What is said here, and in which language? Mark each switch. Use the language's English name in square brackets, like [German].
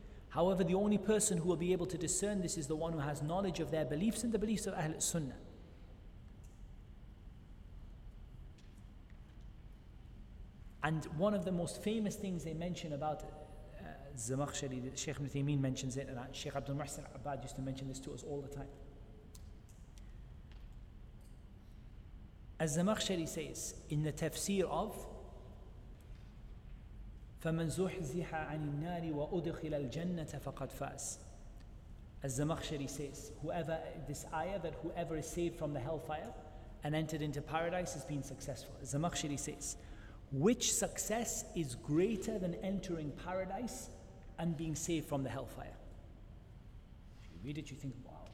[English] However, the only person who will be able to discern this is the one who has knowledge of their beliefs and the beliefs of Ahl Sunnah. And one of the most famous things they mention about Zamakhshari, Shaykh Ibn Taymiyyah mentions it, and Shaykh Abdul Muhsin Abad used to mention this to us all the time. Az-Zamakhshari says in the tafsir of [Arabic] فَمَنْ زُحْزِحَ عَنِ النَّارِ وَأُدْخِلَ الْجَنَّةَ فَقَدْ فَاسْ. [English] Az-Zamakhshari says, whoever is saved from the hellfire and entered into paradise has been successful. Az-Zamakhshari says, which success is greater than entering paradise and being saved from the hellfire? If you read it, you think, wow.